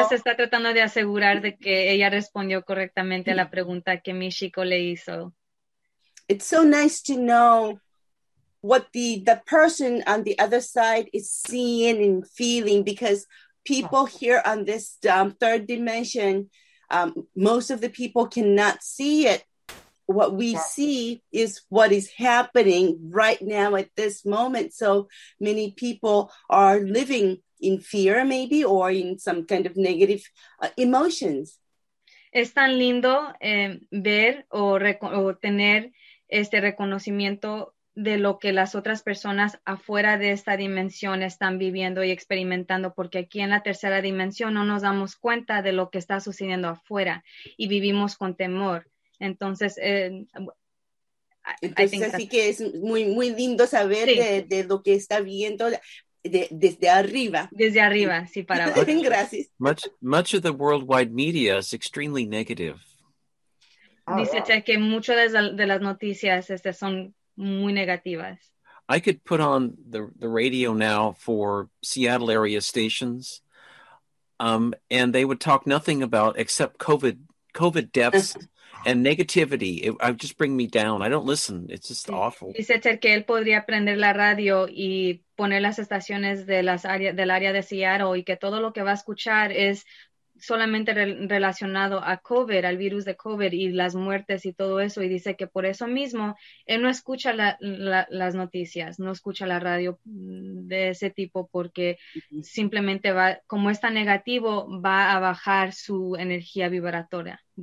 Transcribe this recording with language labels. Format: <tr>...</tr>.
<es>Ahorita se está tratando de asegurar de que ella respondió correctamente a la pregunta que Michiko le hizo.</es> <en>It's so nice to know what the person on the other side is seeing and feeling, because people here on this third dimension, most of the people cannot see it. What we see is what is happening right now at this moment. So many people are living in fear, maybe, or in some kind of negative emotions.</en> <es>Es tan lindo ver o tener este reconocimiento de lo que las otras personas afuera de esta dimensión están viviendo y experimentando, porque aquí en la tercera dimensión no nos damos cuenta de lo que está sucediendo afuera y vivimos con temor. Entonces, así que es muy, muy lindo saber de lo que está viviendo. Desde arriba, sí, para abajo. Gracias.</es> <en>Much of the worldwide media is extremely negative.</en> <es>Dice Che que muchas de las noticias son muy negativas.</es> <en>I could put on the radio now for Seattle area stations, and they would talk nothing about except COVID deaths. And negativity, I just bring me down. I don't listen. It's just awful.</en> <es>Dice Ter que él podría prender la radio y poner las estaciones del área de Seattle y que todo lo que va a escuchar es solamente relacionado a COVID, al virus de COVID y las muertes y todo eso. Y dice que por eso mismo él no escucha las noticias, no escucha la radio de ese tipo porque simplemente va, como está negativo, va a bajar su energía vibratoria.</es>